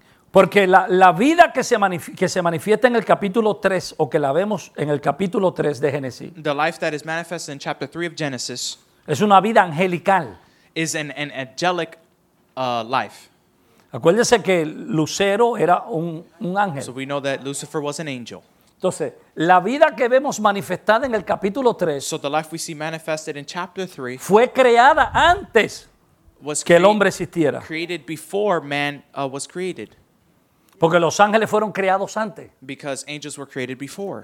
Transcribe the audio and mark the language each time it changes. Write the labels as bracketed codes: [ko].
[es] Porque la vida que se manifiesta en el capítulo 3 o que la vemos en el capítulo 3 de Génesis. [en] The life that is manifested in chapter 3 of Genesis. [es] Es una vida angelical. [en] Is an angelic life. [es] Acuérdese que Lucero era un ángel. [en] So we know that Lucifer was an angel. [es] Entonces, la vida que vemos manifestada en el capítulo 3. [en] So the life we see manifested in chapter 3. [es] Fue creada antes que el hombre existiera. [en] Created before man was created. [es] Porque los ángeles fueron creados antes. [en] Because angels were created before.